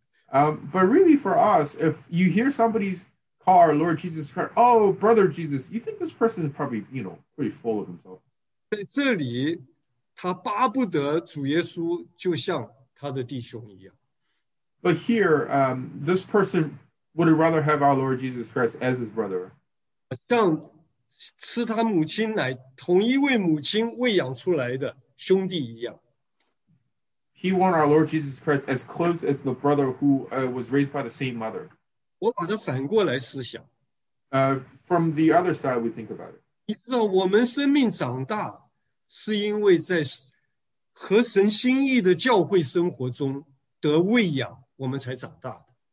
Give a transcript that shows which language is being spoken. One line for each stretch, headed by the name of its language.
English: But really for us, if you hear somebody call our Lord Jesus Christ, oh, brother Jesus, you think this person is probably, you know, pretty full of himself.
Chinese: 在这里他巴不得主耶稣就像他的弟兄一样。
English: But here, this person would rather have our Lord Jesus Christ as his brother.
Chinese: 像吃他母亲奶，同一位母亲喂养出来的兄弟一样。
English: He want our Lord Jesus Christ as close as the brother who was raised by the same mother.
Chinese: 我把它反过来思想。
English: From the other side, we think about it.
Chinese: 你知道我们生命长大是因为在和神心意的教会生活中得喂养，我们才长大的。